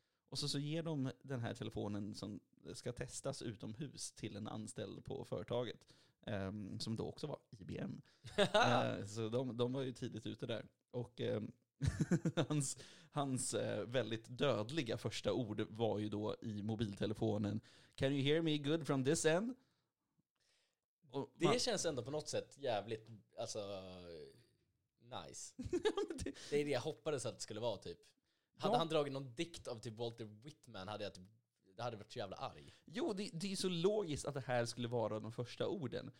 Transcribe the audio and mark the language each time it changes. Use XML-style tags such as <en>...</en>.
<sv>Och så ger de den här telefonen som ska testas utomhus till en anställd på företaget. Som då också var IBM. Så de var ju tidigt ute där. Och hans väldigt dödliga första ord var ju då i mobiltelefonen.</sv> <en>Can you hear me good from this end?</en> <sv>Och det känns ändå på något sätt jävligt alltså, nice. Det är det jag hoppades att det skulle vara typ. Hade han dragit någon dikt av typ Walter Whitman hade jag typ, det hade varit så jävla arg. Jo, det är så logiskt att det här skulle vara de första orden.</sv>